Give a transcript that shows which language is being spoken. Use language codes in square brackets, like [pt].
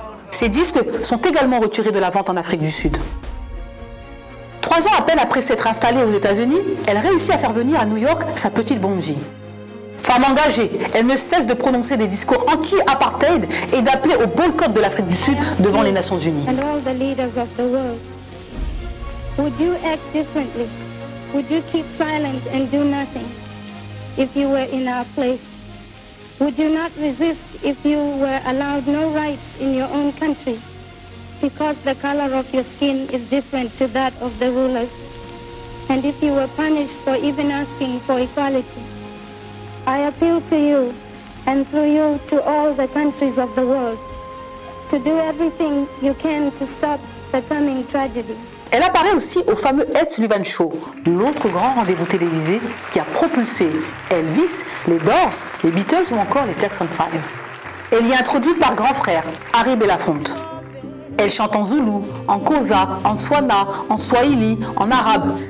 [fr] Ses disques sont également retirés de la vente en Afrique du Sud. 3 ans à peine après s'être installée aux États-Unis, elle réussit à faire venir à New York sa petite Bongi. Femme engagée, elle ne cesse de prononcer des discours anti-apartheid et d'appeler au boycott de l'Afrique du Sud devant les Nations Unies. [en] And all the leaders of the world, would you act differently? Would you keep silent and do nothing if you were in our place? Would you not resist if you were allowed no rights in your own country because the color of your skin is different to that of the rulers? And if you were punished for even asking for equality, I appeal to you and through you to all the countries of the world to do everything you can to stop the coming tragedy. [fr] Elle apparaît aussi au fameux Ed Sullivan Show, l'autre grand rendez-vous télévisé qui a propulsé Elvis, les Doors, les Beatles ou encore les Jackson 5. Elle y est introduite par grand frère, Harry Belafonte. Elle chante en Zulu, en Xhosa, en Tswana, en Swahili, en arabe.